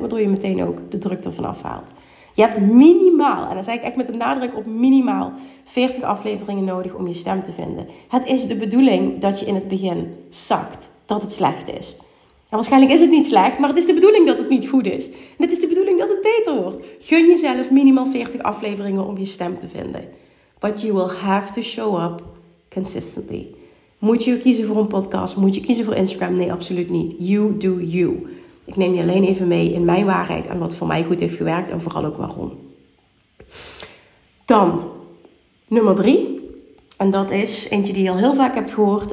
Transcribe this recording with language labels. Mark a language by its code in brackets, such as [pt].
[nl] Waardoor je meteen ook de druk ervan afhaalt. Je hebt minimaal, en dan zeg ik echt met een nadruk op minimaal, 40 afleveringen nodig om je stem te vinden. Het is de bedoeling dat je in het begin zakt. Dat het slecht is. En waarschijnlijk is het niet slecht, maar het is de bedoeling dat het niet goed is. En het is de bedoeling dat het beter wordt. Gun jezelf minimaal 40 afleveringen om je stem te vinden. [en] But you will have to show up consistently. [nl] Moet je kiezen voor een podcast? Moet je kiezen voor Instagram? Nee, absoluut niet. [en] You do you. [nl] Ik neem je alleen even mee in mijn waarheid en wat voor mij goed heeft gewerkt en vooral ook waarom. Dan, nummer 3. En dat is eentje die je al heel vaak hebt gehoord.